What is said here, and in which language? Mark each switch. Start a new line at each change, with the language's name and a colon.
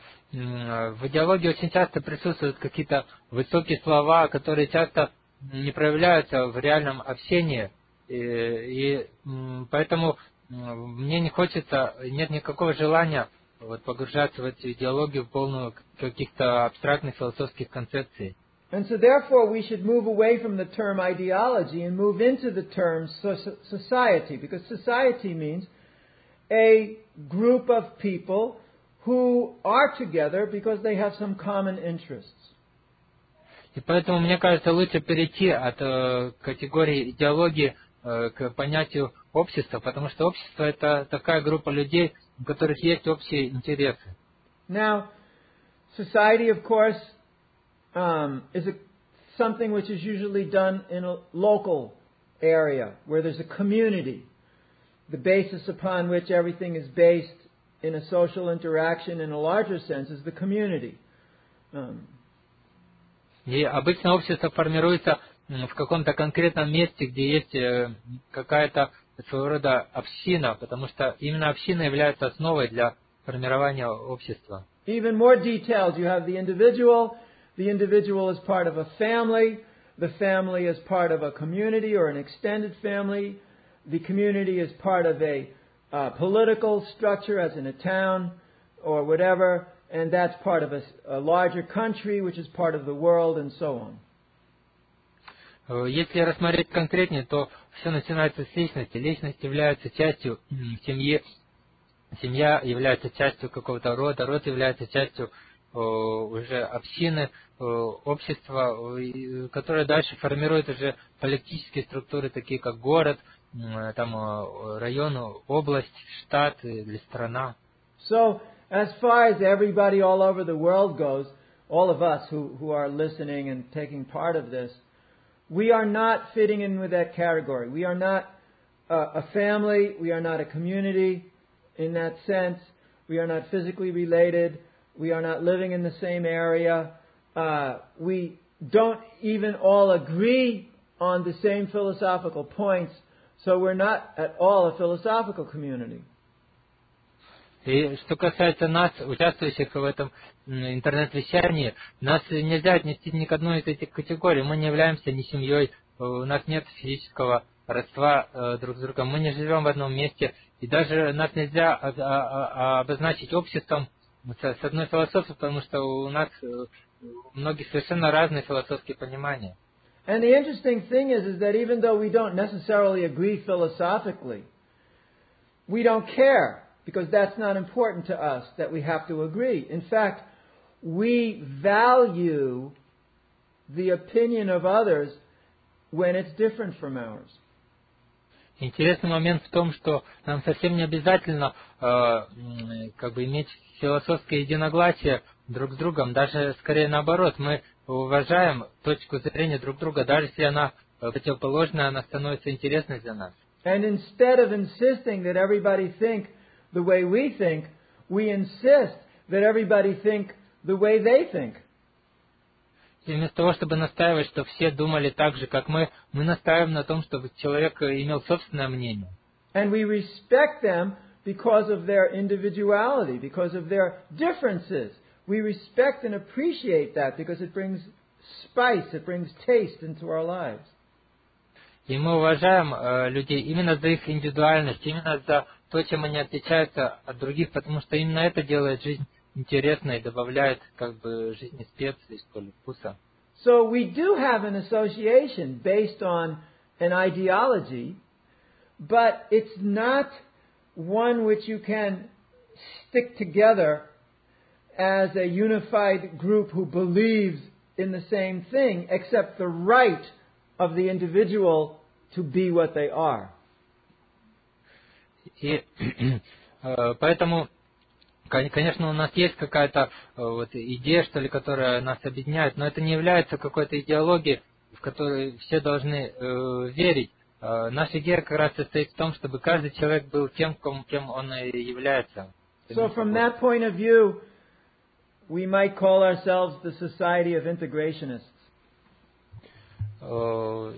Russian: В идеологии очень часто присутствуют какие-то высокие слова, которые часто не проявляются в реальном общении, и поэтому мне не хочется, нет никакого желания вот, погружаться в эту идеологию, в полную каких-то абстрактных философских концепций.
English: And so therefore we should move away from the term ideology and move into the term society, because society means a group of people who are together because they have some common interests.
Russian: И поэтому мне кажется лучше перейти от категории идеологии к понятию общества, потому что общество это такая группа людей, у которых есть общие интересы.
English: Now, society, of course, is something which is usually done in a local area where there's a community, the basis upon which everything is based. In a social interaction, in a larger sense, is the community.
Russian: И обычно общество формируется в каком-то конкретном месте, где есть какая-то своего рода община, потому что именно община является основой для формирования общества.
English: Even more details. You have the individual. The individual is part of a family. The family is part of a community or an extended family. The community is part of a political structure, as in a town or whatever, and that's part of a larger country, which is part of the world, and so on.
Russian: Если рассмотреть конкретнее, то все начинается с личности. Личность является частью семьи, семья является частью какого-то рода, род является частью уже общины, общества, которое дальше формирует уже политические структуры, такие как город. Там район, область, штат или страна.
English: So, as far as everybody all over the world goes, all of us who are listening and taking part of this, we are not fitting in with that category. We are not a family, we are not a community in that sense. We are not physically related, we are not living in the same area. We don't even all agree on the same philosophical points. So we're not at all a philosophical community.
Russian: И что касается нас, участвующих в этом интернет-вещании, нас нельзя отнести ни к одной из этих категорий. Мы не являемся ни семьей, у нас нет физического родства друг с другом. Мы не живем в одном месте, и даже нас нельзя обозначить обществом с одной философией, потому что у нас многие совершенно разные философские понимания.
English: And the interesting thing is that even though we don't necessarily agree philosophically, we don't care, because that's not important to us that we have to agree. In fact, we value the opinion of others when it's different from ours.
Russian: Интересный момент в том, что нам совсем не обязательно иметь философское единогласие друг с другом, даже скорее наоборот, мы уважаем точку зрения друг друга, даже если она противоположная, она становится интересной для нас.
English: And instead of insisting that everybody think the way we think, we insist that everybody think the way they think.
Russian: И вместо того, чтобы настаивать, чтобы все думали так же, как мы настаиваем на том, чтобы человек имел собственное мнение.
English: And we respect them because of their individuality, because of their differences. We respect and appreciate that because it brings spice, it brings taste into our lives.
Russian: И мы уважаем людей именно за их индивидуальность, именно за то, чем они отличаются от других, потому что именно это делает жизнь интересной, добавляет как бы жизни специй, что ли, вкуса.
English: So we do have an association based on an ideology, but it's not one which you can stick together as a unified group who believes in the same thing, except the right of the individual to be what they are.
Russian: И поэтому, конечно, у нас есть какая-то вот идея, что ли, которая нас объединяет, но это не является какой-то идеологией, в которую все должны верить. Наша идея как раз состоит в том, чтобы каждый человек был тем, кем он является.
English: So from that point of view, we might call ourselves the Society of Integrationists.